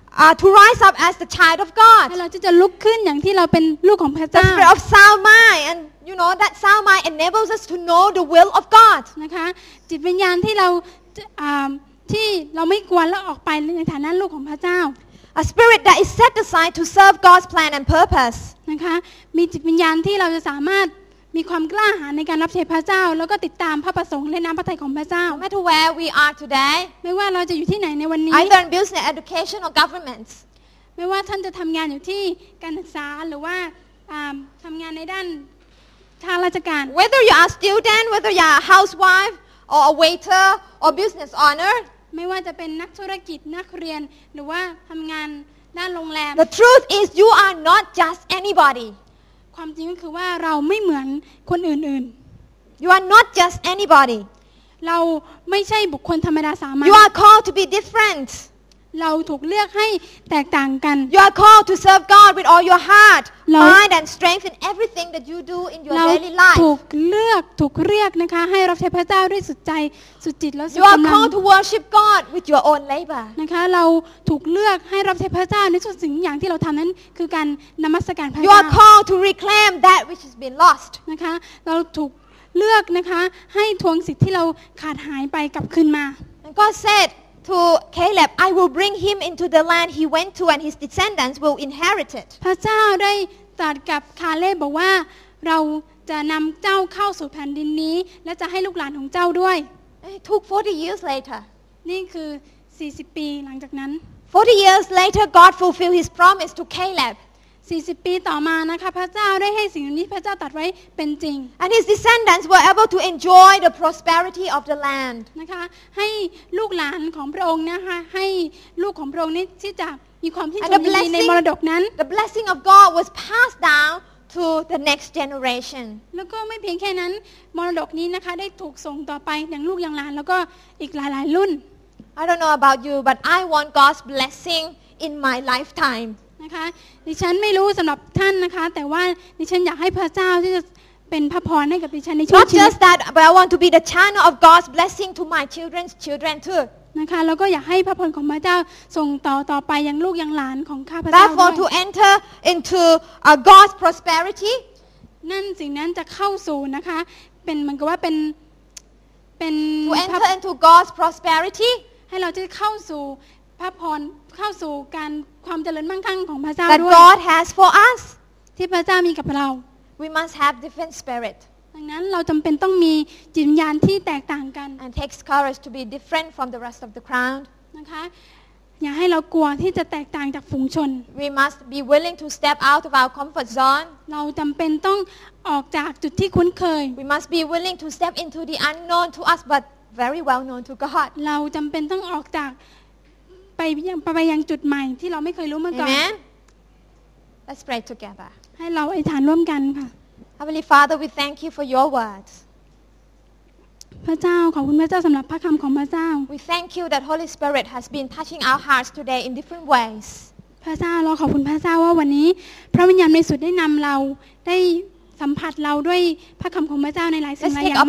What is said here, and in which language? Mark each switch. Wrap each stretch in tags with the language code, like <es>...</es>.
<en>To rise up as the child of God</en> <th>ให้เราจะลุกขึ้นอย่างที่เราเป็นลูกของพระเจ้า</th> <en>The spirit of sound mind andYou know that sound mind enables us to know the will of God.</en> <th>นะคะจิตวิญญาณที่เราที่เราไม่กลัวแล้วออกไปในฐานะลูกของพระเจ้า</th> <en>A spirit that is set aside to serve God's plan and purpose.</en> <th>นะคะมีจิตวิญญาณที่เราจะสามารถมีความกล้าหาญในการรับใช้พระเจ้าแล้วก็ติดตามพระประสงค์และน้ำพระทัยของพระเจ้า</th> <en>No matter where we are today.</en> <th>ไม่ว่าเราจะอยู่ที่ไหนในวันนี้</th> <en>Either in business, education, or government.</en> <th>ไม่ว่าท่านจะทำงานอยู่ที่การศึกษาหรือว่าทำงานในด้าน</th> <en>Whether you are a student, whether you are a housewife, or a waiter, or business owner,</en> <th>ไม่ว่าจะเป็นนักธุรกิจนักเรียนหรือว่าทำงานด้านโรงแรม</th> <en>The truth is you are not just anybody.</en> <th>ความจริงก็คือว่าเราไม่เหมือนคนอื่น</th> <en>ๆ You are not just anybody.</en> <th>เราไม่ใช่บุคคลธรรมดาสามัญ</th> <en>You are called to be different.</en> <th>เราถูกเลือกให้แตกต่างกัน</th> <en>You are called to serve God with all your heart. Mind and strength in everything that you do in your daily life.</en> <th>เราถูกเลือกถูกเรียกนะคะให้รับใช้พระเจ้าด้วยสุดใจสุดจิตและสุดกำลั ง</th> <en>You are called to worship God with your own labor.</en> <th>นะคะเราถูกเลือกให้รับใช้พระเจ้าในทุกสิ่งอย่างที่เราทำนั้นคือการนมัสการพระเจ้า</th> <en>You are called to reclaim that which has been lost.</en> <th>นะคะเราถูกเลือกนะคะให้ทวงสิทธิ์ที่เราขาดหายไปกลับคืนมา</th> <en>And God said to Caleb I will bring him into the land he went to and his descendants will inherit it</en> <th>พระเจ้าได้ตรัสกับคาเลบบอกว่าเราจะนําเจ้าเข้าสู่แผ่นดินนี้และจะให้ลูกหลานของเจ้าด้วย</th> <en>took 40 years later</en> <th>นี่คือ40ปีหลังจากนั้น</th> <en>40 years later God fulfilled his promise to Caleb</en> <th>40ปีต่อมานะคะพระเจ้าได้ให้สิ่งนี้พระเจ้าตรัสไว้เป็นจริง</th> <en>and his descendants were able to enjoy the prosperity of the land</en> <th>นะคะให้ลูกหลานของพระองค์นะคะให้ลูกของพระองค์นี้ที่จะีความชื่นชมยินดีในมรดกนั้น</th> <en>The blessing of God was passed down to the next generation</en> <th>แล้วก็ไม่เพียงแค่นั้นมรดกนี้นะคะได้ถูกส่งต่อไปอย่างลูกอย่างหลานแล้วก็อีกหลายๆรุ่น</th> <en>I don't know about you but I want God's blessing in my lifetime</en> <th>นะคะดิฉันไม่รู้สำหรับท่านนะคะแต่ว่าดิฉันอยากให้พระเจ้าที่จะเป็นพระพรให้กับดิฉันในชีวิต</th> <en>Not just that but I want to be the channel of God's blessing to my children's children too</en> <th>นะคะแล้วก็อยากให้พระพรของพระเจ้าส่งต่อไปยังลูกยังหลานของข้าพระเจ้าด้วย</th> <en>Therefore to enter into a God's prosperity</en> <th>นั่นสิ่งนั้นจะเข้าสู่นะคะเป็นเหมือนกับว่าเป็น</th> <en>to enter into God's prosperity</en> <th>ให้เราจะเข้าสู่พระพรเข้าสู่การความเจริญมั่งคั่งของพระเจ้าด้วย</th> <en>That God has for us</en> <th>ที่พระเจ้ามีกับเรา</th> <en>We must have different spirit</en> <th>ดังนั้นเราจำเป็นต้องมีจิตวิญญาณที่แตกต่างกัน</th> <en>And takes courage to be different from the rest of the crowd</en> <th>นะคะอย่าให้เรากลัวที่จะแตกต่างจากฝูงชน</th> <en>We must be willing to step out of our comfort zone</en> <th>เราจำเป็นต้องออกจากจุดที่คุ้นเคย</th> <en>We must be willing to step into the unknown to us but very well known to God</en> <th>เราจำเป็นต้องออกจากไปยังจุดใหม่ที่เราไม่เคยรู้มาก่อน</th> <en>Amen Let's pray together</en> <th>ให้เราอธิษฐานร่วมกันค่ะ</th> <en>Heavenly Father we thank you for your word</en> <th>พระเจ้าขอบคุณพระเจ้าสำหรับพระคำของพระเจ้า</th> <en>We thank you that Holy Spirit has been touching our hearts today in different ways</en> <th>พระเจ้าเราขอบคุณพระเจ้าว่าวันนี้พระวิญญาณบริสุทธิ์ได้นำเราได้สัมผัสเราด้วยพระคำของพระเจ้าในหลายสิ่งหลายอย่างมากมาย</th>